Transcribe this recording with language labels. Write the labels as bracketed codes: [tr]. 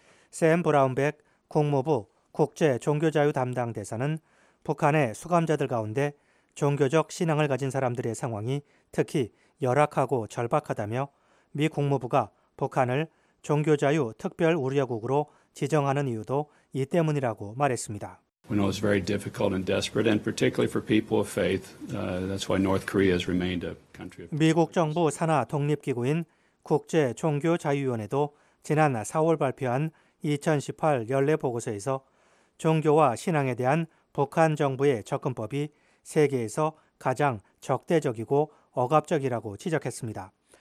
[ko] 샘 브라운백 국무부 국제종교자유담당대사는 북한의 수감자들 가운데 종교적 신앙을 가진 사람들의 상황이 특히 열악하고 절박하다며 미 국무부가 북한을 종교자유 특별 우려국으로 지정하는 이유도 이 때문이라고 말했습니다. [en] We know it's very difficult and desperate, and particularly for people of faith. That's why North Korea has remained a country of. [ko] 미국 정부 산하 독립기구인 국제종교자유위원회도 지난 4월 발표한 2018 연례 보고서에서 종교와 신앙에 대한 북한 정부의 접근법이 세계에서 가장 적대적이고 억압적이라고 지적했습니다.